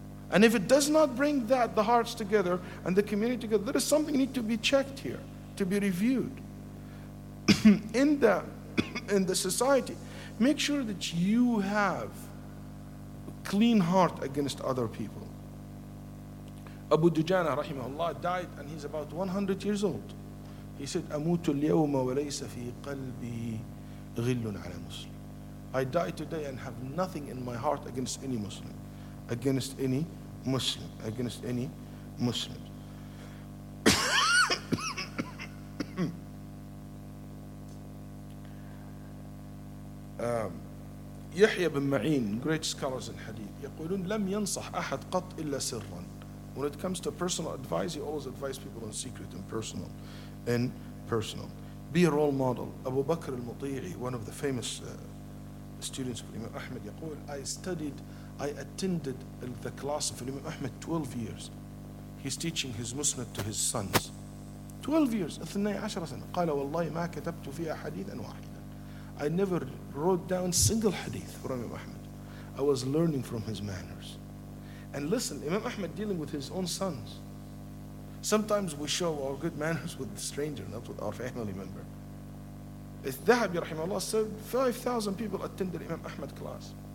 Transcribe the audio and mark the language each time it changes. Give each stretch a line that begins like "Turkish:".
English: And if it does not bring that, the hearts together and the community together, there is something need to be checked here, to be reviewed. in the society, make sure that you have clean heart against other people. Abu Dujana, rahimahullah, died and he's about 100 years old. He said,
Arabic: أموت اليوم وليس في قلبي غل على مسلم.
English: I die today and have nothing in my heart against any Muslim. Against any Muslim. Against any Muslim.
Arabic: يحيى بن معين,
English: great scholars in hadith,
Arabic: يقولون لم ينصح أحد قط إلا سرا.
English: When it comes to personal advice, he always advises people in secret and personal. In personal, be a role model. Abu Bakr al-Muti'i, one of the famous students of Imam Ahmed, يقول, I attended the class of Imam Ahmed 12 years. He's teaching his musnad to his sons. 12 years,
Arabic: 12 سنة. قال والله ما كتبت فيها حديثا واحدا.
English: I never wrote down single hadith from Imam Ahmed. I was learning from his manners. And listen, Imam Ahmed dealing with his own sons. Sometimes we show our good manners with the stranger, not with our family member. الذهبي رحمه الله said 5,000 people attended Imam Ahmed class.